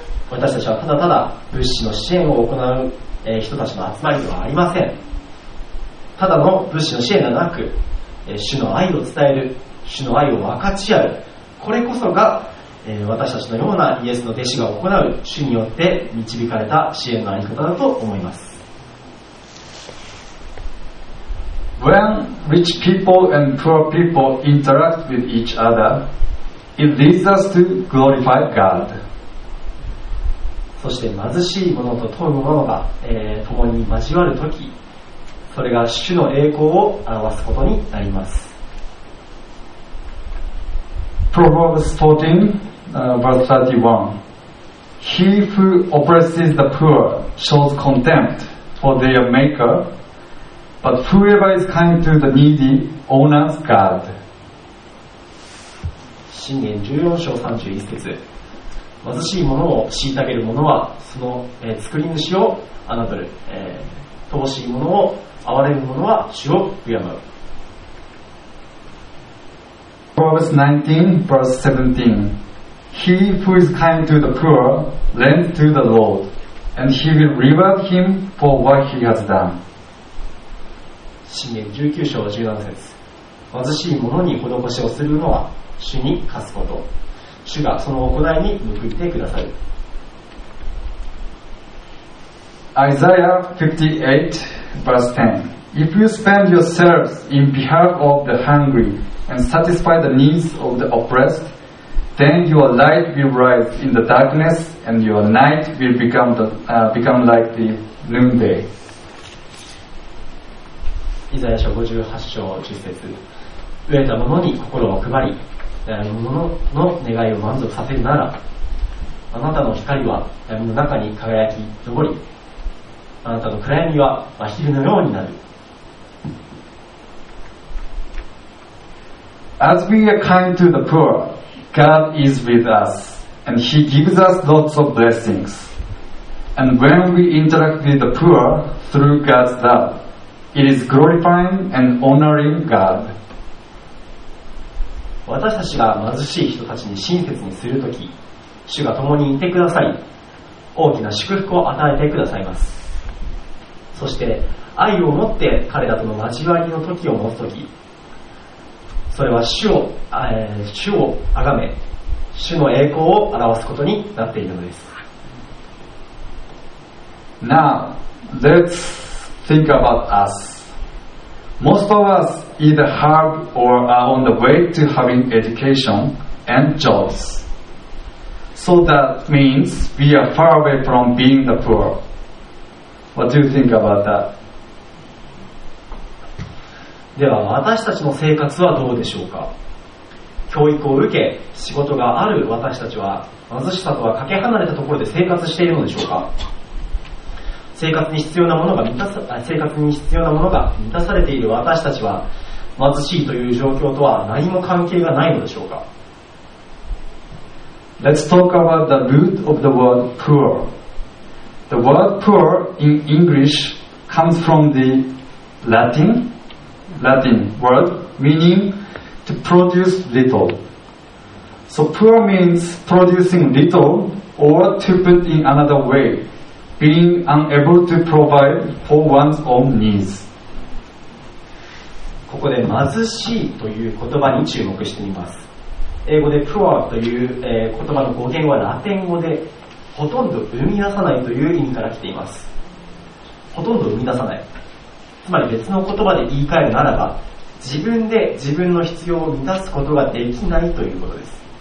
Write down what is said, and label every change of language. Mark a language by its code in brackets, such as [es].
[ja] 私たちはただただ物資の支援を行う人たちの集まりではありません。ただの物資の支援ではなく、主の愛を伝える、主の愛を分かち合う、これこそが私たちのようなイエスの弟子が行う主によって導かれた支援のあり方だと思います。 [en] When rich people and poor people interact with each other, it leads us to glorify God. [ja] そして貧しい者と富む者が、共に交わるとき、それが主の栄光を表すことになります。 [en] Proverbs 14:31 He who oppresses the poor shows contempt for their makerBut whoever is kind to the needy honors God. [ja] 箴言14:31貧しい者を虐げる者はその作り主を侮る、乏しい者を憐れむ者は主を敬う。 [en] Proverbs 19:17 He who is kind to the poor lends to the Lord, And he will reward him for what he has done. [ja] 詩篇19章17節。貧しい者に施しをするのは主に貸すこと。主がその行いに報いてくださる。 [en] Isaiah 58 verse 10. If you spend yourselves in behalf of the hungry and satisfy the needs of the oppressed, then your light will rise in the darkness and your night will become, become like the noonday. [ja] イザヤ書58章10節。飢えた者に心を配り、悩む者の願いを満足させるなら、あなたの光は闇の中に輝き昇り、あなたの暗闇は真昼のようになる。 [en] As we are kind to the poor, God is with us, and He gives us lots of blessings. And when we interact with the poor through God's love, it is glorifying and honoring God. [ja] 私たちが貧しい人たちに親切にするとき、主が共にいてください、大きな祝福を与えてくださいます。そして愛を持って彼らとの交わりの時を持つとき、それは主を崇め、主の栄光を表すことになっているのです。 [en] Now, let's think about us. Most of us either have or are on the way to having education and jobs. So that means we are far away from being the poor. What do you think about that? [ja] では私たちの生活はどうでしょうか。教育を受け仕事がある私たちは貧しさとはかけ離れたところで生活しているのでしょうか。生活に必要なものが満たされている私たちは貧しいという状況とは何も関係がないのでしょうか。 [en] Let's talk about the root of the word poor. The word poor in English comes from the Latin word meaning to produce little. So poor means producing little, or to put in another way, being unable to provide for one's own needs. [ja] ここで貧しいという言葉に注目しています。英語で poor という言葉の語源はラテン語で、ほとんど生み出さないという意味から来ています。ほとんど生み出さない、つまり別の言葉で言い換えるならば、自分で自分の必要を満たすことができないということです。